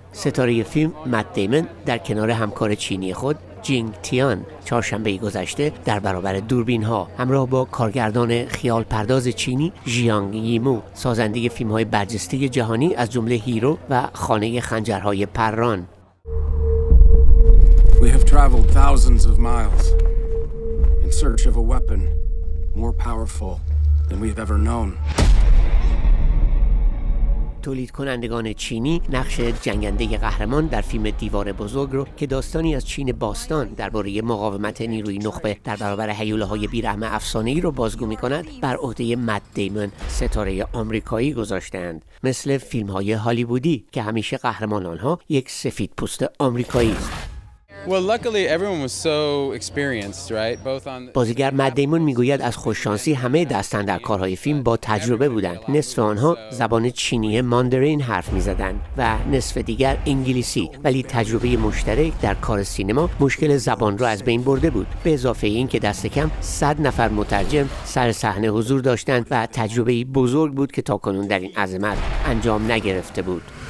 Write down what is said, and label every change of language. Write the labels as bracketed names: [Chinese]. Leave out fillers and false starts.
[Persian] ستاره فیلم مت دیمن در کنار همکار چینی خود جینگ تیان چهارشنبه گذشته در برابر دوربین ها همراه با کارگردان خیال پرداز چینی ژیانگ ییمو، سازنده فیلم های برجسته جهانی از جمله هیرو و خانه خنجرهای پران. [English] We have traveled thousands of miles in search of a weapon more powerful than we've ever known. [Persian] تولید کنندگان چینی نقش جنگنده قهرمان در فیلم دیوار بزرگ رو که داستانی از چین باستان درباره مقاومت نیروی نخبه در برابر هیولاهای بی‌رحم افسانه‌ای رو بازگو می‌کند، بر عهده مت دیمن ستاره آمریکایی گذاشتند. مثل فیلم‌های هالیوودی که همیشه قهرمان آنها یک سفیدپوست آمریکایی است. [English] Well, luckily everyone was so experienced, right? Both on [Persian] بازیگر مت دیمون میگوید از خوششانسی همه دست اندرکارهای فیلم با تجربه بودند. نصف آنها زبان چینی ماندرین حرف میزدند و نصف دیگر انگلیسی، ولی تجربه مشترک در کار سینما مشکل زبان را از بین برده بود. به اضافه این که دست کم 100 نفر مترجم سر صحنه حضور داشتند و تجربه‌ای بزرگ بود که تاکنون در این عظمت انجام نگرفته بود.